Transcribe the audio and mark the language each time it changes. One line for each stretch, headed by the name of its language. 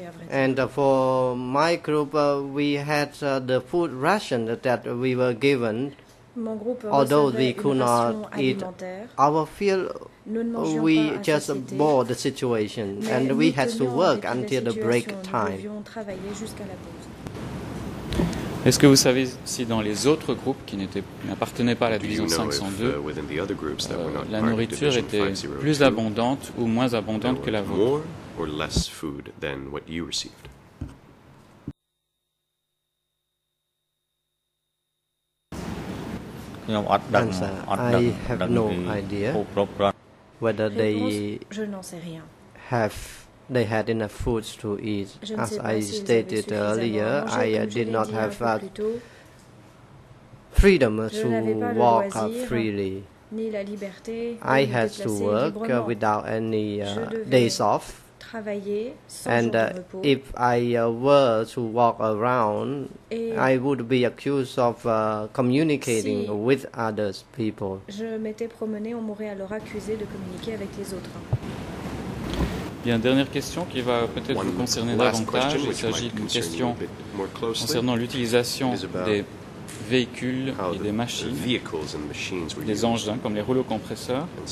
English: And for my group, we had the food ration that we were given. Although we could not eat our fill, we just bore the situation, and we had to work until the break time.
French: Est-ce que vous savez si dans les autres groupes qui n'appartenaient pas à la division 502, la nourriture était plus abondante ou moins abondante que la vôtre? Je n'en sais rien.
English: They had enough food to eat. As I stated earlier, I did not have freedom to walk freely. I had to work without any days off. And if I were to walk around, I would be accused of communicating with other people.
French: Je m'étais promené, on m'aurait alors accusé de communiquer avec les autres. Bien, dernière question qui va peut-être vous concerner davantage. Il s'agit d'une question concernant l'utilisation des véhicules et des machines, des engins comme les rouleaux compresseurs.